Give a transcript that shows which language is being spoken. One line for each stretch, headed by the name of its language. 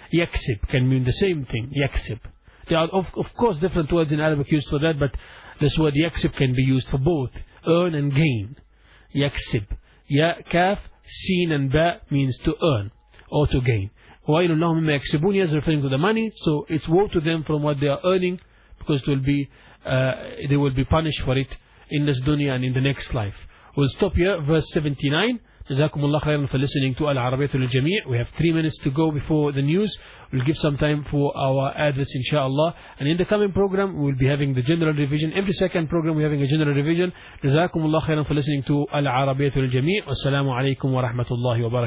English: Yaksib can mean the same thing. Yaksib. There are, of course, different words in Arabic used for that, but this word yaksib can be used for both. Earn and gain. Yaksib. Ya, kaf, seen, and ba means to earn or to gain.
Arabic: وَإِلُ اللَّهُ مِمَّا يَكْسِبُونَ
English: is referring to the money, so it's woe to them from what they are earning, because it will be, they will be punished for it in this dunya and in the next life. We'll stop here, verse 79.
Arabic: جزاكم الله خيرا
English: for listening to
Arabic: العربية للجميع.
English: We have 3 minutes to go before the news. We'll give some time for our address, inshallah. And in the coming program, we'll be having the general revision. Every second program, we're having a general revision.
Arabic: جزاكم الله خيرا
English: for listening to
Arabic: العربية للجميع. والسلام عليكم ورحمة الله وبركاته.